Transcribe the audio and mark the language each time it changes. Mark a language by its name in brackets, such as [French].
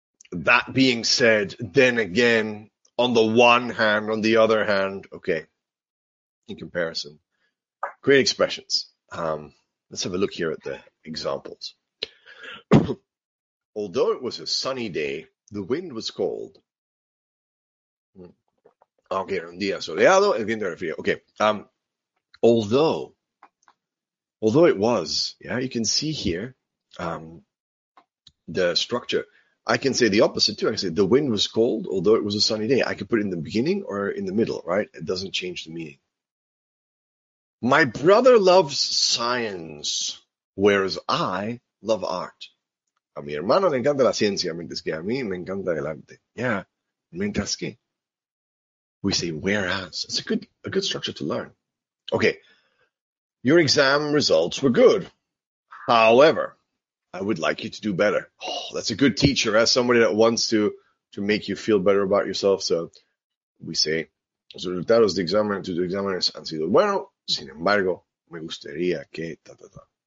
[English] That being said, then again, on the one hand, on the other hand, okay, in comparison, great expressions. Let's have a look here at the examples. Although it was a sunny day, the wind was cold. [Spanish] Aunque era un día soleado, el viento era frío. [English] Okay. Although it was, yeah, you can see here the structure. I can say the opposite too. I can say the wind was cold, although it was a sunny day. I could put it in the beginning or in the middle, right? It doesn't change the meaning. My brother loves science, whereas I love art. [Spanish] A mi hermano le encanta la ciencia, mientras que a mí me encanta el arte. [English] Yeah, [Spanish] mientras que. [English] We say whereas. It's a good structure to learn. Okay, your exam results were good. However, I would like you to do better. Oh, that's a good teacher, as somebody that wants to make you feel better about yourself. [Spanish] So we say, los resultados de exámenes han sido bueno. Sin embargo, me gustaría que ta ta ta.